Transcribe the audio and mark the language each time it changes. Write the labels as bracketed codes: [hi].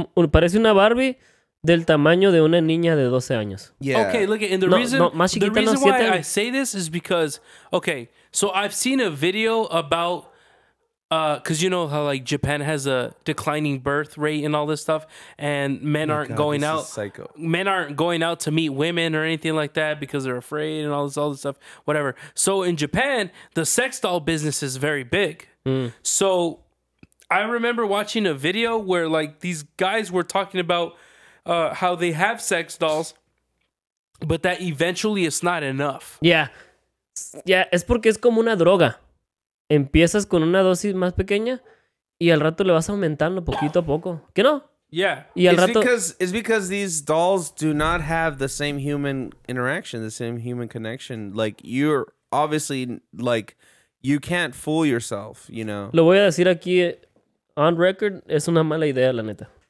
[es] Parece una Barbie del tamaño de una niña de 12 años. [en] Yeah. Okay, look, and the reason why I say this is because... Okay, so I've seen a video about... because you know how like Japan has a declining birth rate and all this stuff, and men men aren't going out to meet women or anything like that because they're afraid and all this stuff, whatever. So in Japan, the sex doll business is very big. Mm. So I remember watching a video where like these guys were talking about how they have sex dolls, but that eventually it's not enough. [es] Yeah, yeah, es porque es como una droga. Empiezas con una dosis más pequeña y al rato le vas aumentando poquito a poco. ¿Qué no? [en] Yeah. [es] Y al rato... [en] It's because these dolls do not have the same human interaction, the same human connection. Like, you're obviously, like, you can't fool yourself, you know. [es] Lo voy a decir aquí [en] on record, [es] es una mala idea, la neta.